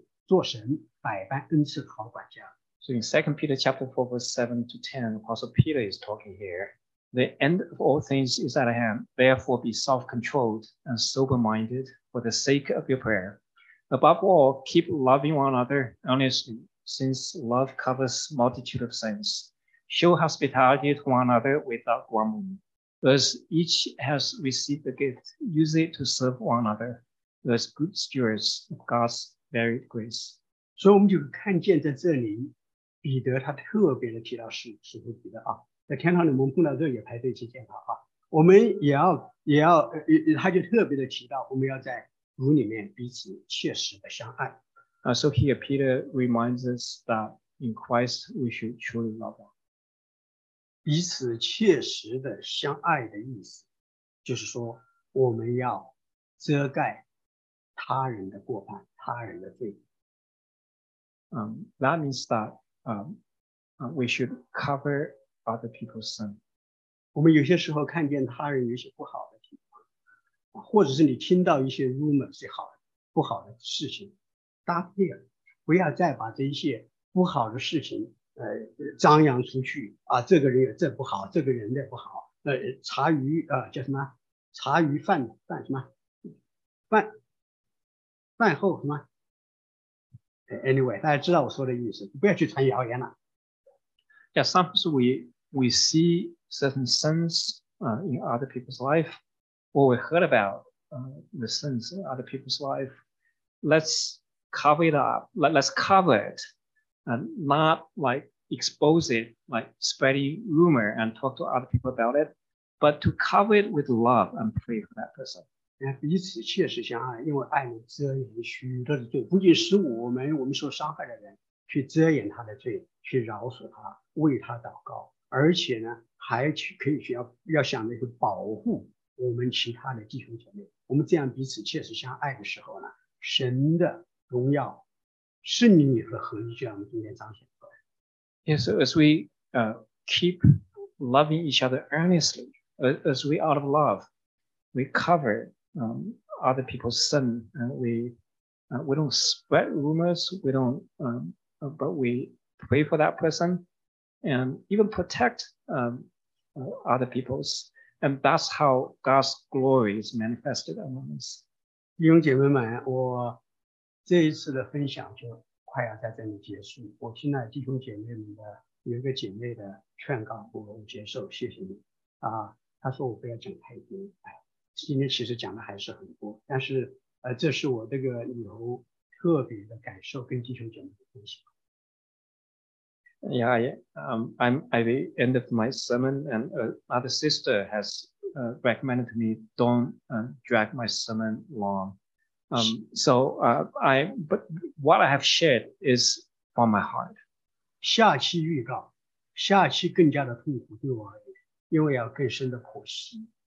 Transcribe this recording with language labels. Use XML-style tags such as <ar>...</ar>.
<zh>万物的结局尽了，所以我们要谨慎自守，警醒祷告。最要紧的是彼此切实相爱，因为爱能遮掩许多的罪。你们要互相款待，不发怨言。个人要照属你的恩赐彼此服侍，做神百般恩赐的好管家。So</zh> <en>in 2 Peter chapter 4, verse 7 to 10, Apostle Peter is talking here. The end of all things is at hand. Therefore, be self-controlled and sober-minded for the sake of your prayer. Above all, keep loving one another earnestly, since love covers multitude of sins. Show hospitality to one another without grumbling, as each has received the gift, use it to serve one another as good stewards of God's varied grace. So we can see here, Peter, he specifically mentions the Apostle Peter. In heaven, when we meet him, we also meet him. We also, he specifically mentions that we should be in the same way. So here, Peter reminds us that in Christ, we should truly love one.</en> <zh>彼此切实的相爱的意思，就是说我们要遮盖他人的过犯，他人的罪。</zh> <en>That means that we should cover other people's sin.</en> <zh>我们有些时候看见他人有些不好的情况，或者是你听到一些 rumor 是好的不好的事情，搭配了，不要再把这些不好的事情张扬出去啊，这个人也这不好，这个人也不好，茶余叫什么？茶余饭饭什么？饭后什么？Anyway, 大家知道我说的意思，不要去传谣言了。</zh> <en>Yeah, sometimes we see certain sins in other people's life, or we heard about the sins in other people's life. Let's cover it up. Let's cover it, and not like expose it, like spreading rumor and talk to other people about it, but to cover it with love and pray for that person.</en> <zh>彼此切实相爱，因为爱能遮掩许多的罪，不仅使我们受伤害的人去遮掩他的罪，去饶恕他，为他祷告，而且呢，还可以需要想着去保护我们其他的弟兄姐妹。我们这样彼此切实相爱的时候呢，神的荣耀、圣灵和合一就在我们中间彰显出来。</zh> <en>Yes, so as we keep loving each other earnestly, as we out of love, we cover. Other people's sin, and we don't spread rumors, we don't, but we pray for that person and even protect other people's, and that's how God's glory is manifested among us.</en> <zh>弟兄姐妹们，我这一次的分享就快要在这里结束。我听了弟兄姐妹们的有一个姐妹的劝告，我接受，谢谢你。她说我不要讲太多。今天其实讲的还是很多，但是这是我这个旅游特别的感受，跟弟兄姐妹的分享。</zh> <en>Yeah, I'm at the end of my sermon, and another sister has recommended to me don't drag my sermon long. But what I have shared is from my heart.</en> <zh>下期预告，下期更加的痛苦对我而言，因为要更深的剖析。</zh>